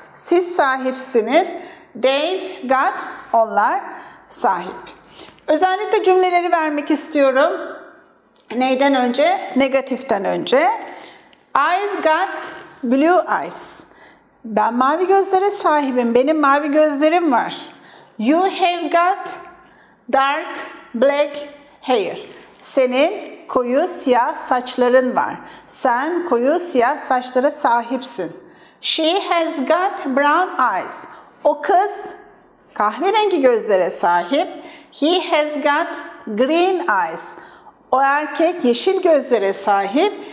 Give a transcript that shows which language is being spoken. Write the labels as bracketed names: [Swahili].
[Turkish] Siz sahipsiniz. [English] They've got. [Turkish] Onlar sahip. Özellikle cümleleri vermek istiyorum. Neyden önce? Negatiften önce. [English] I've got blue eyes. [Turkish] Ben mavi gözlere sahibim. Benim mavi gözlerim var. [English] You have got dark black hair. [Turkish] Senin koyu siyah saçların var. Sen koyu siyah saçlara sahipsin. [English] She has got brown eyes. [Turkish] O kız kahverengi gözlere sahip. [English] He has got green eyes. [Turkish] O erkek yeşil gözlere sahip.